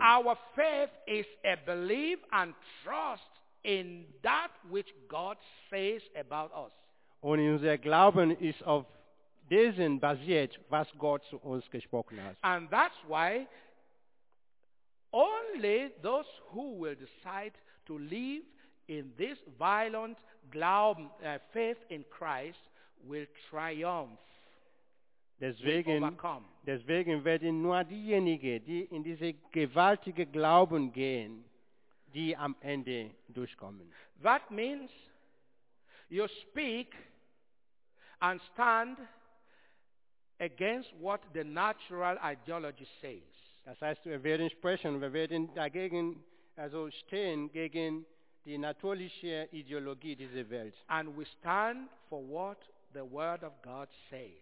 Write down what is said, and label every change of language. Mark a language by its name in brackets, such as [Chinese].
[English] Our faith is a belief and trust in that which God says about us. [German] Und unser Glauben ist auf diesen basiert, was Gott zu uns gesprochen hat. [English] And that's why only those who will decide to live in this violent faith in Christ will triumph. [German] Deswegen werden nur diejenigen, die in diese gewaltige Glauben gehen, die am Ende durchkommen. [English] That means you speak and stand against what the natural ideology says. [German] Das heißt, wir werden sprechen, wir werden dagegen, also stehen gegen die natürliche Ideologie dieser Welt. [English] And we stand for what the Word of God says.